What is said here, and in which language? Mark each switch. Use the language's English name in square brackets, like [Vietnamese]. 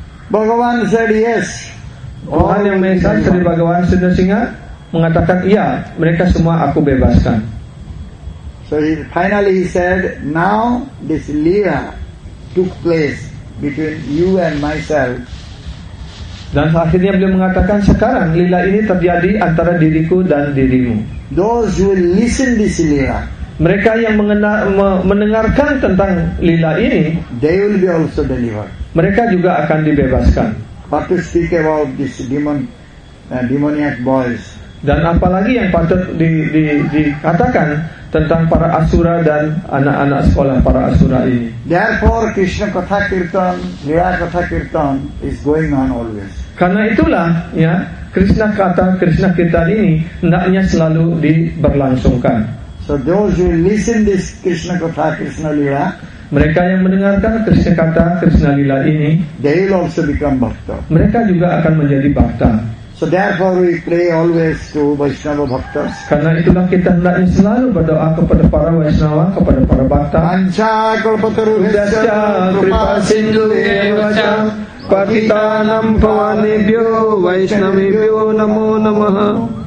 [English] Bhagawan said yes. [Indonesian] Tuhan yang Maha Esa, Sri Bhagawan Sudha Singha, mengatakan iya, mereka semua aku bebaskan. [English] So he, finally he said, now this lila took place between you and myself. [Indonesian] Dan akhirnya beliau mengatakan, sekarang lila ini terjadi antara diriku dan dirimu. [English] Those who listen this lila, [Indonesian] mereka yang mendengarkan tentang lila ini, [English] they will be also delivered. [Indonesian] Mereka juga akan dibebaskan. [English] But to speak about this demon, demoniac boys. [Indonesian] Dan apalagi yang patut dikatakan tentang para asura dan anak-anak sekolah para asura ini. [English] Therefore, Krishna Katha Kirtan, Lila Katha Kirtan is going on always. [Indonesian] Karena itulah, ya, Krishna Katha, Krishna Kirtan ini hendaknya selalu diberlangsungkan. [English] So those who listen this Krishna Katha, Krishna Lila, [Indonesian] mereka yang mendengarkan Krishna Katha, Krishna Lila ini, [English] they will also become bhakta. [Indonesian] Mereka juga akan menjadi bhakta. [English] So therefore we pray always to Vaishnava bhaktas. [Indonesian] Karena itulah kita hendaknya selalu berdoa kepada para Vaishnava, kepada para bhakta. [Sanskrit] Anca kalpataru hisya kripa sindhu evaca patitanam pavanebhyo Vaishnavebhyo namo namaha.